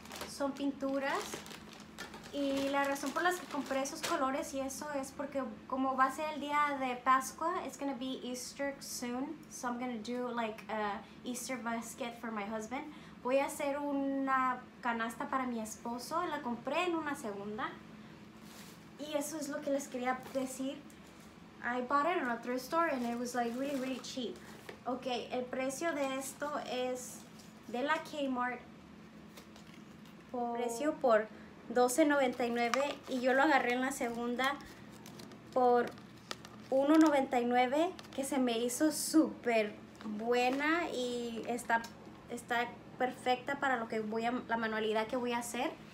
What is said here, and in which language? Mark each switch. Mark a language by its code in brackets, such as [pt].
[es] Son pinturas y la razón por la que compré esos colores y eso es porque como va a ser el día de Pascua, [en] it's gonna be Easter soon, so I'm gonna do like a Easter basket for my husband. [es] Voy a hacer una canasta para mi esposo, la compré en una segunda y eso es lo que les quería decir. [en] I bought it in a thrift store and it was like really really cheap. [es] Ok, el precio de esto es de la Kmart. Precio por $12.99 y yo lo agarré en la segunda por $1.99, que se me hizo súper buena y está perfecta para lo que voy a la manualidad que voy a hacer.